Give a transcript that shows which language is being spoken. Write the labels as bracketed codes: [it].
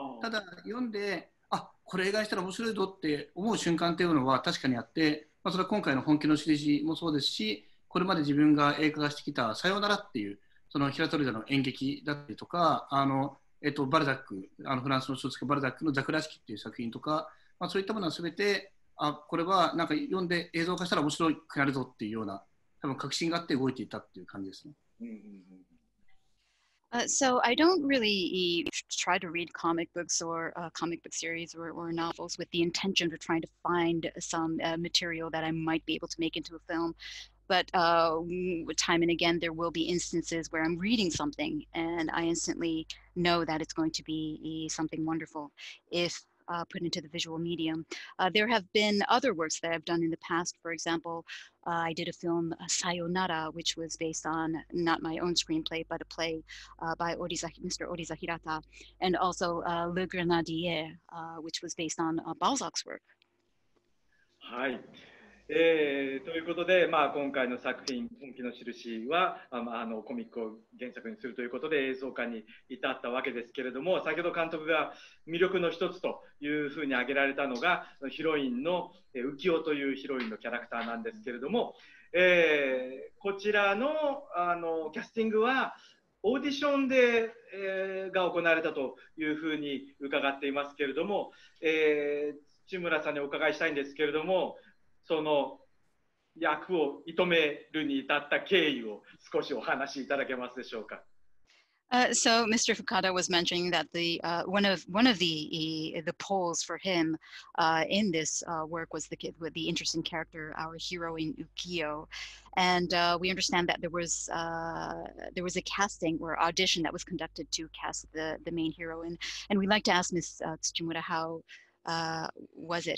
[ja] ただ読んで、あ、これ映画にしたら面白いぞって思う瞬間っていうのは確かにあって、まあ、それは今回の本気のシリーズもそうですし、これまで自分が映画化してきたさようならっていう、その平取りの演劇だったりとか、バルザック、あのフランスの小説家バルザックのザクラシキっていう作品とか、まあ、そういったものは全て、あ、これはなんか読んで映像化したら面白くなるぞっていうような、多分確信があって動いていたっていう感じですね。 [en] So I don't really try to read comic books or comic book series or novels with the intention of trying to find some material that I might be able to make into a film. But time and again, there will be instances where I'm reading something and I instantly know that it's going to be something wonderful if put into the visual medium. There have been other works that I've done in the past. For example, I did a film, Sayonara, which was based on not my own screenplay, but a play by Mr. Oriza Hirata, and also Le Grenadier, which was based on Balzac's work. Hi. [ja] ということで、まあ、今回の作品「本気の印」はあのコミックを原作にするということで映像化に至ったわけですけれども、先ほど監督が魅力の一つというふうに挙げられたのがヒロインの浮世というヒロインのキャラクターなんですけれども、こちら の, あのキャスティングはオーディションで、が行われたというふうに伺っていますけれども、千村さんにお伺いしたいんですけれども、その役を射止めるに至った経緯を少しお話しいただけますでしょうか。 [en] So Mr. Fukada was mentioning that the one of the poles for him in this work was the kid with the interesting character, our hero in Ukiyo, and we understand that there was a casting or audition that was conducted to cast the main hero in, and we'd like to ask Ms. Tsuchimura how. Was it?